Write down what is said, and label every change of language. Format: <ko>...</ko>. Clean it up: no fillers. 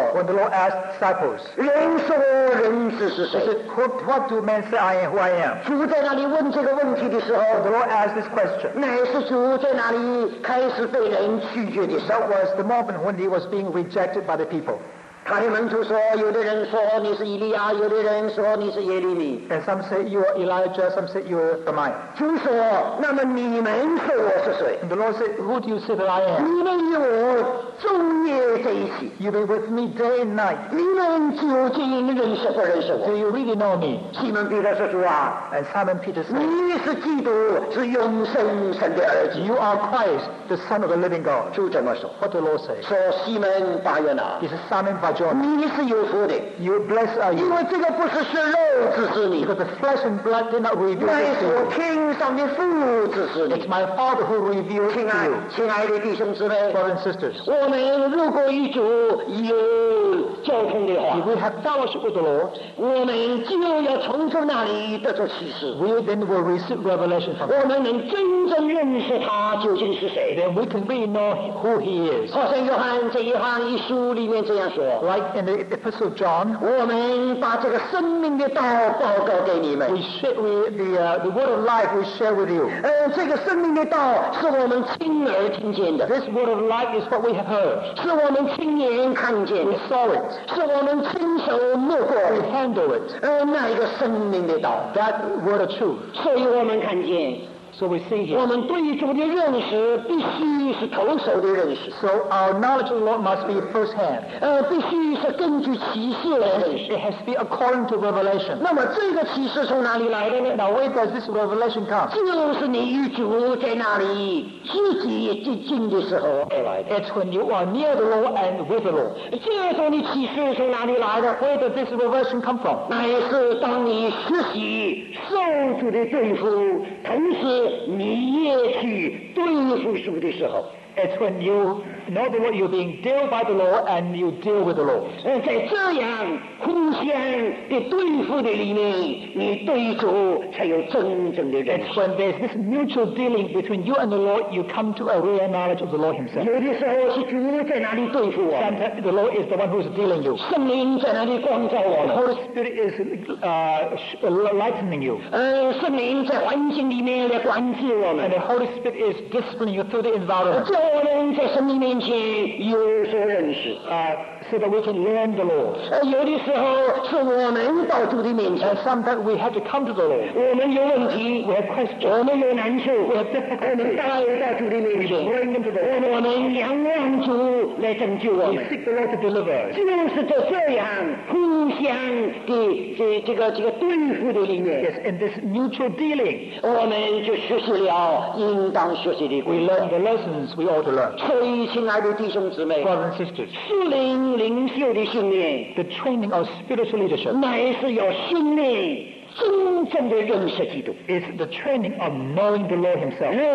<en>When the Lord asked disciples,</en> <zh>人说人子是谁</zh> <en>What do men say I am, who I am?</en> <zh>主在那里问这个问题的时候</zh> <en>When the Lord asked this question,</en> <zh>乃是主在那里开始被人拒绝的时候</zh> <en>That was the moment when he was being rejected by the people.</en> <zh>他的门徒说有的人说你是以利亚有的人说你是耶利米</zh> <en>And some say you are Elijah, some say you are Jeremiah.</en> <zh>主说那么你们说我是谁</zh> <en>And the Lord said, who do you say that I am?</en> <zh>你们与我昼夜在一起</zh> <en>You've been with me day and night.</en> <zh>你们究竟认识不认识我</zh> <en>Do you really know me?</en> <zh>西门彼得说主啊</zh> <en>And Simon Peter said,</en> <zh>你是基督是永生神的儿子</zh> <en>You are Christ, the Son of the living God.</en> <zh>主怎么说</zh> <en>What the Lord say?</en> <zh>说西门巴约拿</zh> <en>He said, Simon Peter John,</en> <zh>你是有福的</zh> <en>you bless are you.</en> <zh>因为这个不是血肉指示你</zh> <en>Because the flesh and blood did not reveal this to you</en> <zh>乃是我天上的父指示你</zh> <en>It's my Father who revealed to you</en> <zh>亲爱的弟兄姊妹</zh> <en>Brothers and sisters</en> <zh>我们如果与主有交通的话</zh> <en>If we have fellowship with the Lord</en> <zh>我们就要从主那里得到启示</zh> <en>We then will receive revelation from him</en> <zh>我们能真正认识他究竟是谁</zh> <en>Then we can really know who he is</en> <zh>好像约翰这一行一书里面这样说</zh> <en>Like in the Epistle of John,</en> <zh>我们把这个生命的道报告给你们。</zh> <en>The word of life we share with you.</en> <zh>这个生命的道是我们亲耳听见的。</zh> <en>This word of life is what we have heard.</en> <zh>是我们亲眼看见的。</zh> <en>We saw it.</en> <zh>是我们亲手摸过。</zh> <en>We handle it.</en> <zh>那一个生命的道。</zh> <en>That word of truth.</en> <zh>所以我们看见。</zh> <en>So we see here.</en> <zh>我们对主的认识必须是头手的认识。</zh> <en>So our knowledge of the Lord must be first hand.</en> <zh>必须是根据启示来认识。</zh> <en>It has to be according to revelation.</en> <zh>那么这个启示从哪里来的呢</zh> <en>？Now where does this revelation come?</en> <zh>就是你与主在那里自己接近的时候来的。</zh> <en>It's when you are near the Lord and with the Lord.</en> <zh>这种的启示从哪里来的</zh> <en>？Where does this revelation come from?</en> <zh>乃是当你学习受主的祝福，同时。你也去对付主的时候</zh> <en>It's when you know the Lord, you're being dealt by the Lord and you deal with the Lord.</en> <zh>在这样互相的对付的里面，你对主才有真正的认识。</zh> <en>It's when there's this mutual dealing between you and the Lord, you come to a real knowledge of the Lord Himself.</en> <zh>有的时候是主在哪里对付我</zh> <en>Sometimes the Lord is the one who's dealing you.</en> <zh>圣灵在哪里光照我</zh> <en>The Holy Spirit is lightening you.</en> <zh>圣灵在环境里面来管制我们</zh> <en>And the Holy Spirit is disciplining you. pulling you through the environment.</en> <zh>众人在神的面前有所认识。</zh> <en>So that we can learn the Lord. And sometimes we have to come to the Lord.</en> <zh>我们有问题,</zh> <en>we have questions.</en> <zh>我们有难处,</zh> <en>we have difficulty. We bring them to the Lord. We seek the Lord to deliver us.</en> <zh>就是在这样互相的对付的里面,</zh> <en>yes, in this mutual dealing,</en> <zh>我们就学习了应当学习的规则,</zh> <en>we learn the lessons we ought to learn.</en> <zh>所以亲爱的弟兄姊妹,</zh> <en>brothers and sisters,</en> <zh>树林,</zh> <en>the training of spiritual leadership is the training of knowing the Lord himself.</en>